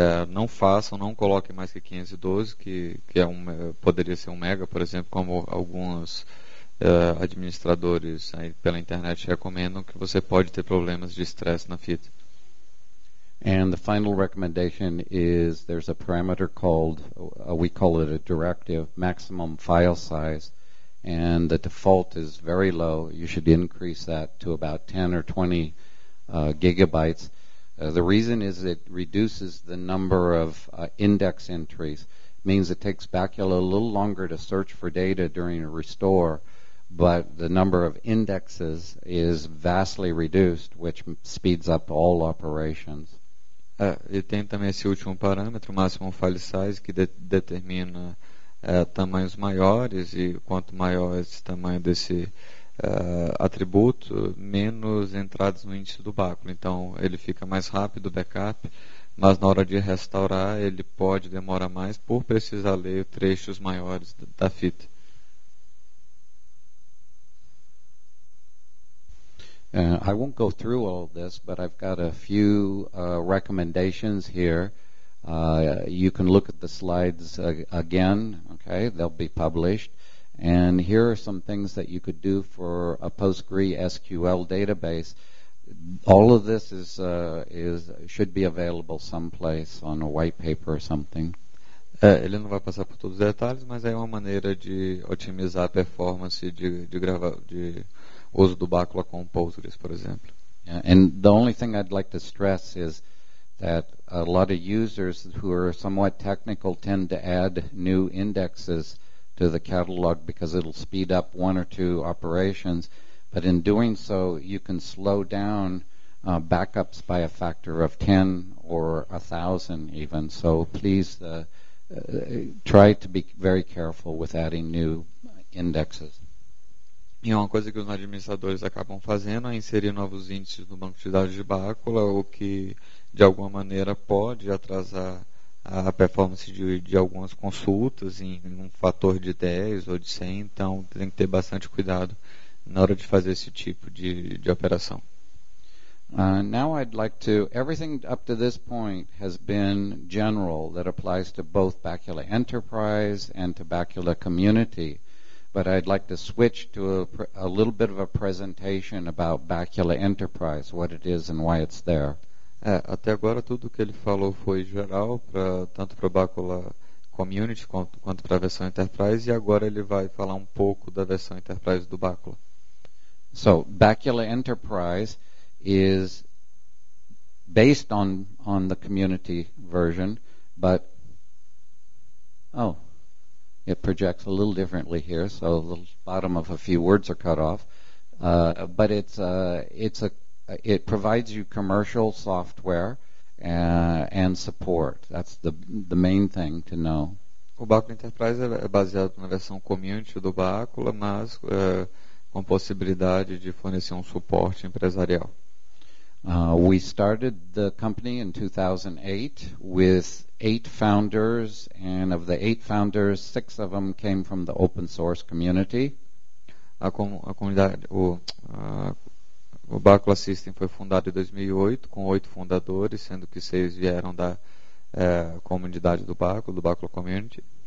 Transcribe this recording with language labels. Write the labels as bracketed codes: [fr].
[pt] Não façam, não coloquem mais que 512, que poderia ser 1 mega, por exemplo, como alguns administradores aí pela internet recomendam, que você pode ter problemas de estresse na fita. [en] And the final recommendation is there's a parameter called, we call it a directive, maximum file size, and the default is very low. You should increase that to about 10 or 20 gigabytes. The reason is it reduces the number of index entries. It means it takes Bacula a little longer to search for data during a restore, but the number of indexes is vastly reduced, which speeds up all operations. [pt] E tem também esse último parâmetro, maximum file size, que determina tamanhos maiores, e quanto maior esse tamanho desse atributo, menos entradas no índice do Bacula. Então ele fica mais rápido o backup, mas na hora de restaurar ele pode demorar mais por precisar ler trechos maiores da fita. [en] I won't go through all of this, but I've got a few recommendations here. You can look at the slides again, okay? They'll be published. And here are some things that you could do for a PostgreSQL database. All of this should be available someplace on a white paper or something. [pt] Ele não vai passar por todos os detalhes, mas é uma maneira de otimizar a performance de uso do Bacula com Postgres, por exemplo. [en] Yeah, and the only thing I'd like to stress is that a lot of users who are somewhat technical tend to add new indexes to the catalog because it'll speed up one or two operations, but in doing so you can slow down backups by a factor of 10 or 1,000 even. So please try to be very careful with adding new indexes. [pt] E uma coisa que os administradores acabam fazendo é inserir novos índices no banco de dados de Bacula, o que de alguma maneira pode atrasar a performance de algumas consultas em um fator de 10 ou de 100. Então tem que ter bastante cuidado na hora de fazer esse tipo de operação. [en] Now I'd like to, everything up to this point has been general, that applies to both Bacula Enterprise and to Bacula Community. But I'd like to switch to a little bit of a presentation about Bacula Enterprise, what it is and why it's there. [pt] Até agora tudo que ele falou foi geral, tanto para Bacula Community quanto para a versão Enterprise, e agora ele vai falar um pouco da versão Enterprise do Bacula. [en] So, Bacula Enterprise is based on the community version, but... Oh. It projects a little differently here, so the bottom of a few words are cut off. But it provides you commercial software and support. That's the main thing to know. [pt] O Bacula Enterprise é baseado na versão community do Bacula, mas com possibilidade de fornecer suporte empresarial. [en] We started the company in 2008 with 8 founders, and of the 8 founders, 6 of them came from the open source community. [pt] O Bacula System foi fundado em 2008 com 8 fundadores, sendo que 6 vieram da comunidade do Bacula Community.